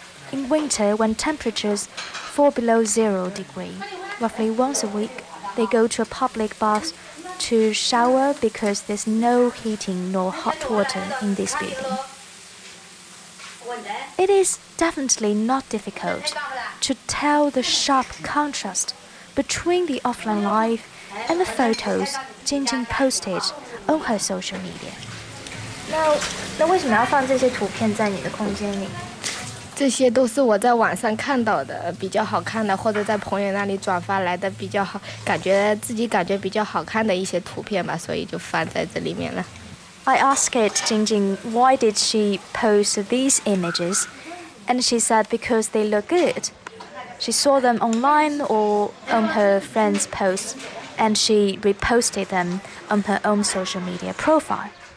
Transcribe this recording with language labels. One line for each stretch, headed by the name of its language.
English: In winter, when temperatures fall below 0 degrees, roughly once a week, they go to a public bath to shower because there's no heating nor hot water in this building. It is definitely not difficult to tell the sharp contrast between the offline life and the photos Jing Jing posted. on her social media.
Chinese: 那为什么要放这些图片在你的空间里？这些都是我在网上看到的比较好看的，或者在朋友那里转发来的比较好，感觉自己感觉比较好看的一些图片吧，所以就放在这里面了。
English: I asked Jing Jing why did she post these images, and she said because they look good. She saw them online or on her friends' posts. And she reposted them on her own social media profile.